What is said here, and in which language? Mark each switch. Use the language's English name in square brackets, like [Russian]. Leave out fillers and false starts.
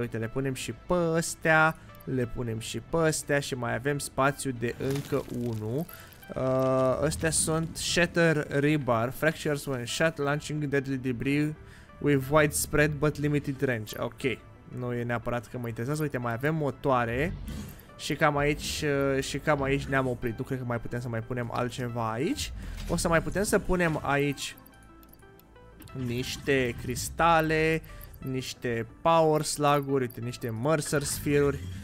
[Romanian] Uite, le punem și pe astea, le punem și pe astea și mai avem spațiu de încă unul. Astea sunt [English] Shatter Rebar, Fractures when shot, launching deadly debris with widespread but limited range. [Romanian] Ok, nu e neapărat că mă interesează. Uite, mai avem motoare. Și cam aici, ne-am oprit. Nu cred că mai putem să mai punem altceva aici. O să mai putem să punem aici niște cristale, niște power slug-uri, uite, niște Mercer Sphere-uri.